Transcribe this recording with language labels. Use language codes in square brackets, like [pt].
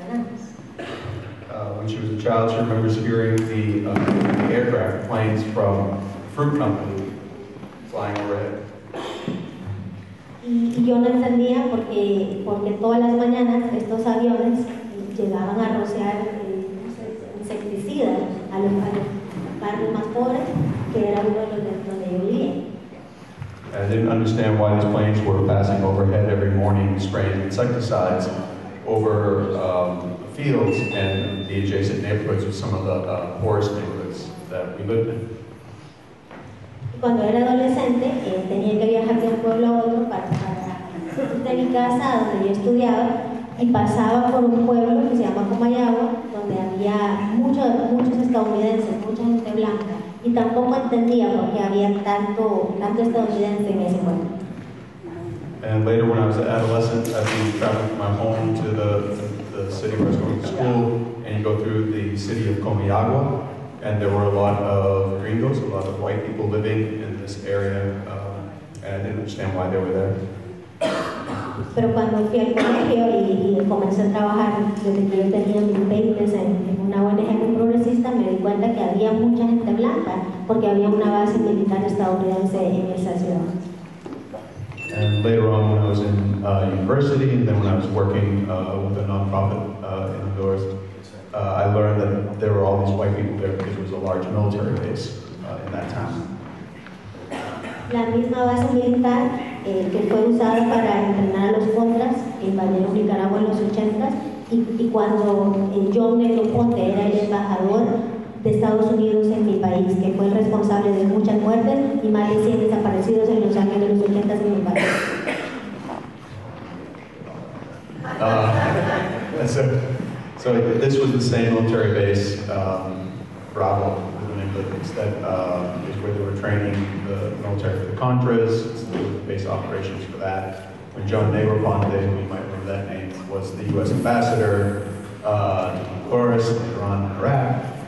[en] When she was a child, she remembers hearing the aircraft planes from Fruit Company flying overhead. [es] Y yo no entendía porque todas las mañanas estos aviones llegaban a rociar insecticida a los barrios más pobres, que era uno de los donde yo vivía. [en] I didn't understand why these planes were passing overhead every morning spraying insecticides over fields and the adjacent neighborhoods of some of the poorest neighborhoods that we lived in. [es] Cuando era adolescente, tenía que viajar de un pueblo a otro para mi casa donde yo estudiaba y pasaba por un pueblo que se llama Comayagua, donde había muchos estadounidenses, mucha gente blanca, y tampoco entendía por qué había tanto estadounidense en ese pueblo. [en] And later when I was an adolescent, I'd be traveling from my home to the city where I was going to school, and you go through the city of Comayagua, and there were a lot of gringos, a lot of white people living in this area, and I didn't understand why they were there. [es] Pero cuando fui al colegio y comencé a trabajar desde que yo tenía mis 20 en una ONG progresista, me di cuenta que había mucha gente blanca, porque había una base militar estadounidense en esa ciudad. [en] And later on, when I was in university, and then when I was working with a nonprofit in the doors, I learned that there were all these white people there because it was a large military base in that town. [es] La misma base militar que fue usada para entrenar a los contras invadieron Nicaragua en los 80s, y cuando John Negroponte era el embajador de Estados Unidos en mi país, que fue el responsable de muchas muertes y más de 100 desaparecidos en Los Ángeles en los 80s en mi país. [en] So this was the same military base, Bravo, the name of the base, that is where they were training the military for the Contras, the base operations for that. When John Negroponte, you might remember that name, was the U.S. ambassador to Honduras, later on in Iraq.